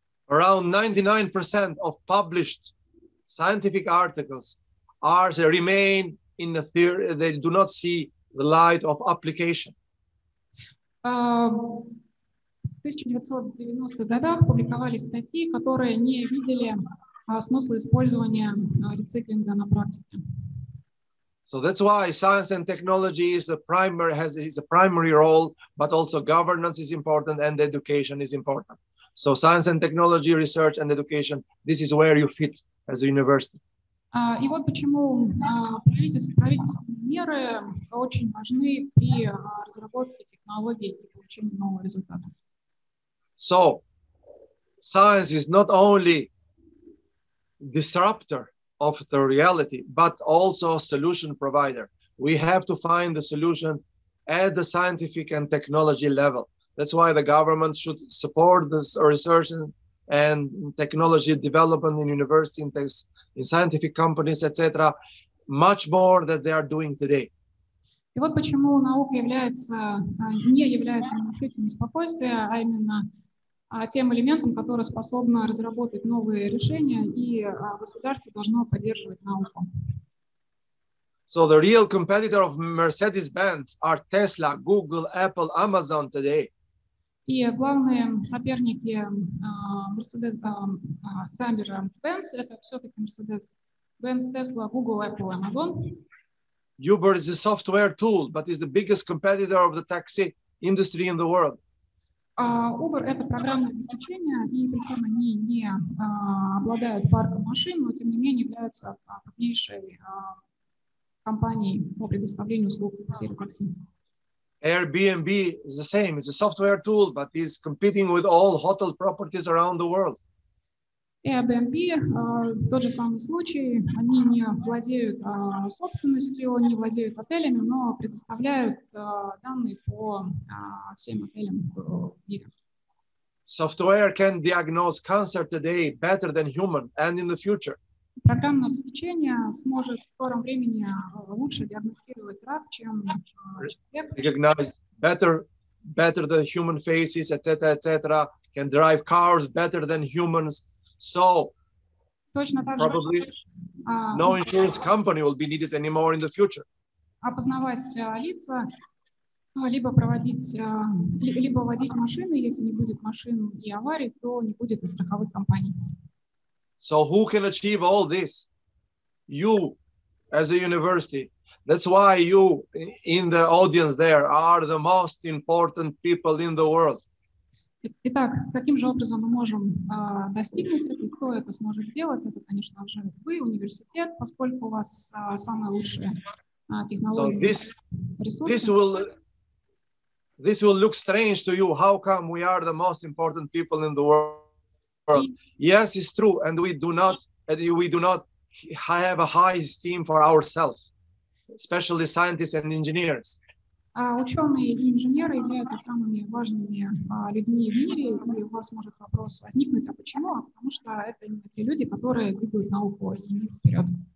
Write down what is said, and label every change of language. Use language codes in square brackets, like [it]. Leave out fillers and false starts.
[en] Around 99% of published scientific articles remain in the theory, they do not see the light of application. [ru] В 1990-х годах публиковались статьи, которые не видели смысла использования рециклинга на практике. [en] So that's why science and technology is a primary role, but also governance is important and education is important. So science and technology, research and education, this is where you fit as a university. [ru] И вот почему правительственные меры очень важны при разработке технологий и получении нового результата. [en] So science is not only disruptor of the reality, but also a solution provider. We have to find the solution at the scientific and technology level. That's why the government should support this research and technology development in university, in scientific companies, etc., much more than they are doing today. [ru] И вот почему наука не является нарушителем спокойствия, а именно тем элементом, который способен разработать новые решения, и государство должно поддерживать науку. [en] So the real competitor of Mercedes-Benz are Tesla, Google, Apple, Amazon today. [ru] И главные соперники Mercedes-Benz это все-таки Mercedes-Benz, Tesla, Google, Apple, Amazon. [en] Uber is a software tool, but is the biggest competitor of the taxi industry in the world. [ru] Uber – это программное обеспечение, и причем они не обладают парком машин, но тем не менее являются крупнейшей компанией по предоставлению услуг в сфере такси. [en] Airbnb is the same. It's a software tool, but is competing with all hotel properties around the world. [ru] Airbnb, тот же самый случай. Они не владеют собственностью, не владеют отелями, но предоставляют данные по всем отелям в мире. [en] Software can diagnose cancer today better than human and in the future. [ru] Программное обеспечение сможет в скором времени лучше диагностировать рак, чем человек. [en] Recognize better the human faces, etc., etc. Can drive cars better than humans. So, [ru] точно так [en] probably [ru] же, [en] no insurance company will be needed anymore in the future. [ru] Опознавать лица, либо проводить, либо водить машины, если не будет машин и аварий, то не будет и страховых компаний. [en] So who can achieve all this? You, as a university. That's why you, in the audience there, are the most important people in the world. [ru] Итак, каким же образом мы можем достигнуть этого? Кто это сможет сделать? Это, конечно же, вы, университет, поскольку у вас самые лучшие технологии, ресурсы. [en] This will look strange to you. How come we are the most important people in the world? Yes, it's true, and we do not have a high esteem for ourselves, especially scientists and engineers. [ru] Ученые и инженеры являются самыми важными людьми в мире, и у вас может вопрос возникнуть, а почему? Потому что это именно те люди, которые двигают науку и мир вперед.